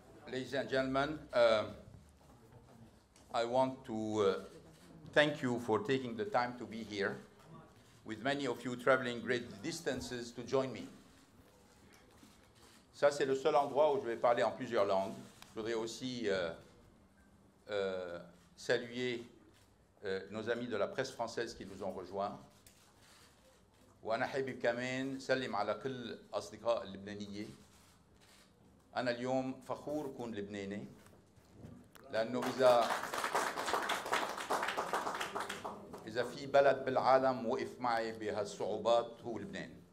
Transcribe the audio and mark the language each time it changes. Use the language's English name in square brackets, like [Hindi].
[English] Ladies and gentlemen, I want to thank you for taking the time to be here, with many of you traveling great distances to join me. [French] Ça, c'est le seul endroit où je vais parler en plusieurs langues. Je voudrais aussi saluer nos amis de la presse française qui nous ont rejoints. [Arabic] وأنا حابب كمان سلم على كل أصدقاء اللبنانيين. أنا اليوم فخور كون لبناني، لأنه إذا في بلد بالعالم وقف معي بهالصعوبات هو لبنان.